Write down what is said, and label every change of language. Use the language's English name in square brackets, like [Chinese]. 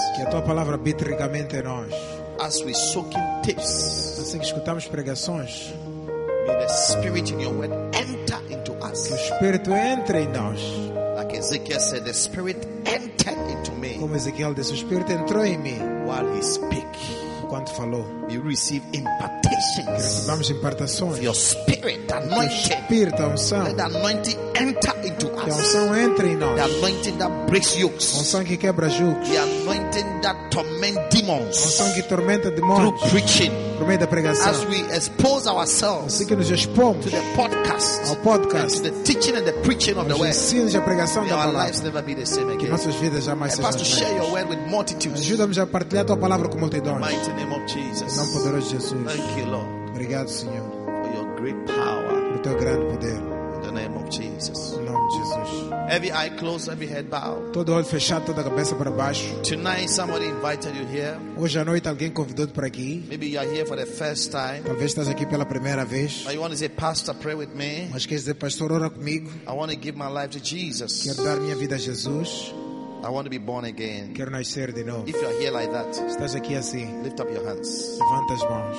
[Portuguese] Que a tua palavra habite ricamente em nós. [English] As we soak in tips. [Portuguese] Assim que escutamos pregações. [English] May the Spirit in your word enter into us. [Portuguese] Que o Espírito entre em nós. [English] Like Ezekiel said, the Spirit entered into me. [Portuguese] Como Ezequiel disse, o Espírito entrou em mim. [English] While he speak, [Portuguese] enquanto falou, [English] we receive impartations. [Portuguese] Que recebamos impartações. [English] Your Spirit anointed. [Portuguese] Que o Espírito, a unção. [English] Let the anointing enter into us. [Portuguese] Que a unção entre em nós. [English] The anointing that breaks yokes. [Portuguese] A unção que quebra jugos. [English] The anointing that torments demons. [Portuguese] A unção que tormenta demônios. [English] Through preaching. [Portuguese] Por meio da pregação. [English] As we expose ourselves, [Portuguese] assim que nos expomos [English] to the podcast, [Portuguese] ao podcast, [English] to the teaching and the preaching of the word, [Portuguese] ensinos e a pregação da palavra, [English] lives never be the same again. [Portuguese] Que nossas vidas jamais sejam as mesmas. [English] Share your word with multitudes. [Portuguese] Ajuda-nos a partilhar a tua palavra com multidões. [English] In the mighty name of Jesus. [Portuguese] Em nome poderoso de Jesus. [English] Thank you, Lord. [Portuguese] Obrigado, Senhor. [English] For your great power. [Portuguese] Por teu grande poder. [English] In the name of Jesus. [Portuguese] Em nome de Jesus. [English] Every eye closed, every head bowed. [Portuguese] Todo olho fechado, toda cabeça para baixo. [English] Tonight, somebody invited you here. [Portuguese] Hoje à noite alguém convidou-te para aqui. [English] Maybe you are here for the first time. [Portuguese] Talvez estás aqui pela primeira vez. [English] But you want to say, Pastor, pray with me. [Portuguese] Mas queres dizer, pastor, ora comigo. [English] I want to give my life to Jesus. [Portuguese] Quero dar minha vida a Jesus. [English] I want to be born again. [Portuguese] Quero nascer de novo. [English] If you are here like that, [Portuguese] estás aqui assim. [English] Lift up your hands. [Portuguese] Levanta as mãos.